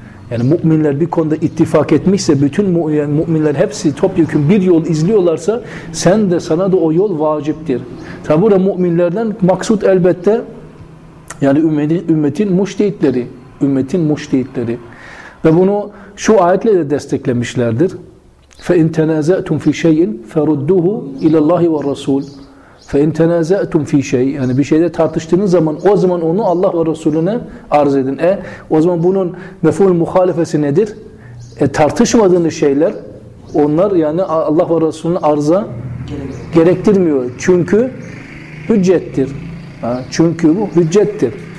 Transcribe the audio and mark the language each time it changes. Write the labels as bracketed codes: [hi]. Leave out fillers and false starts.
[tr] Yani müminler bir konuda ittifak etmişse bütün yani müminler hepsi topyekun bir yol izliyorlarsa sen de sana da o yol vaciptir. Tabi burada müminlerden maksut elbette yani ümmetin müştehitleri. Ümmetin müştehitleri. Ve bunu şu ayetle de desteklemişlerdir. [ar] فإن تنازأتم في شيء فردوه إلى الله والرسول. فإن تنازأتم في شيء, [tr] yani bir şeyde tartıştığınız zaman o zaman onu Allah ve Resulüne arz edin. O zaman bunun mef'ul muhalefesi nedir? Tartışmadığınız şeyler, onlar yani Allah ve Resulüne arza gerektirmiyor. Çünkü hüccettir. Çünkü bu hüccettir.